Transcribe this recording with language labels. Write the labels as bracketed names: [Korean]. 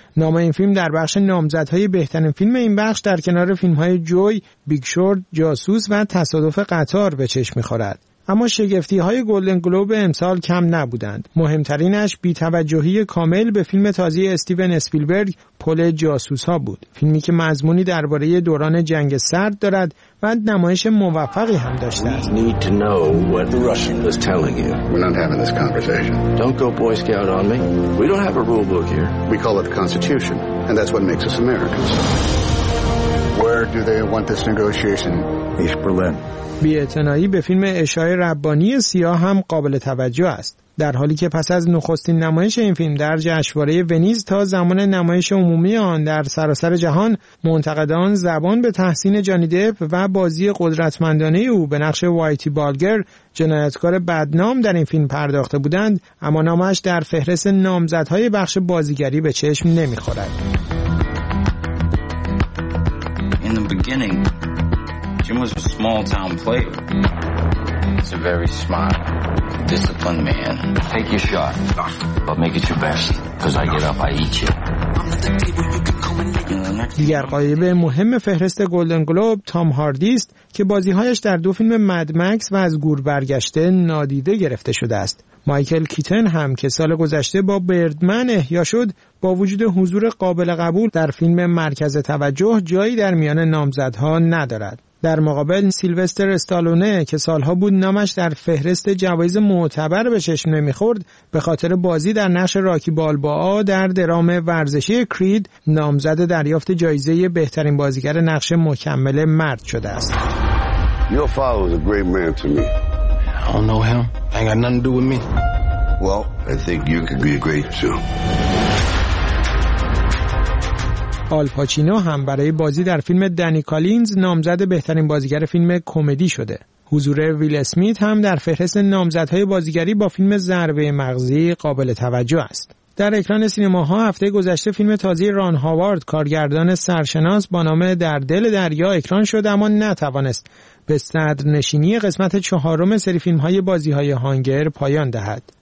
[Persian] نام این فیلم در بخش نامزدهای بهترین فیلم این بخش در کنار فیلم‌های جوی، بیگ شورت، جاسوس و تصادف قطار به چشم می‌خورد. اما شگفتی‌های گلدن گلوب امسال کم نبودند. مهمترینش بی‌توجهی کامل به فیلم تازه استیون اسپیلبرگ پل جاسوس‌ها بود. فیلمی که مضمونی درباره دوران جنگ سرد دارد و نمایش موفقی هم داشته است. [English] Need to know what the Russian was telling you. We're not having this conversation. Don't go boy scout on me. We don't have a rule book here. We call it the Constitution, and that's what makes us Americans. Where do they want this negotiation? East Berlin. [Persian] بی‌اعتنایی به فیلم اشای ربانی سیاه هم قابل توجه است. در حالی که پس از نخستین نمایش این فیلم در جشنواره ونیز تا زمان نمایش عمومی آن در سراسر جهان، منتقدان زبان به تحسین جانی دپ و بازی قدرتمندانه او به نقش وایتی بالگر، جنایتکار بدنام در این فیلم پرداخته بودند، اما نامش در فهرست نامزدهای بخش بازیگری به چشم نمی‌خورد. [English] In the beginning, Jim was a small town player. He's a very smart, disciplined man. Take your shot, but make it your best, because I get up, I eat you. [Persian] دیگر غایب مهم فهرست گلدن گلوب تام هاردی است که بازیهایش در دو فیلم مد مکس و از گور برگشته نادیده گرفته شده است. مایکل کیتن هم که سال گذشته با بردمن احیا شد، با وجود حضور قابل قبول در فیلم مرکز توجه جایی در میان نامزدها ندارد. در مقابل سیلوستر استالونه که سالها بود نامش در فهرست جوایز معتبر به چشم نمی‌خورد، به خاطر بازی در نقش راکی بالبا در درام ورزشی کرید نامزد دریافت جایزه بهترین بازیگر نقش مکمل مرد شده است. [English] Your father was a great man to me. I don't know him. I got nothing to do with me. Well, I think you could be great too. [Persian] آل پاچینو هم برای بازی در فیلم دنی کالینز نامزد بهترین بازیگر فیلم کمدی شده. حضور ویل اسمیت هم در فهرست نامزدهای بازیگری با فیلم ضربه مغزی قابل توجه است. در اکران سینماها هفته گذشته فیلم تازه ران هاوارد کارگردان سرشناس با نام در دل دریا اکران شد، اما نتوانست به صدر نشینی قسمت چهارم سری فیلم‌های بازی‌های هانگر پایان دهد.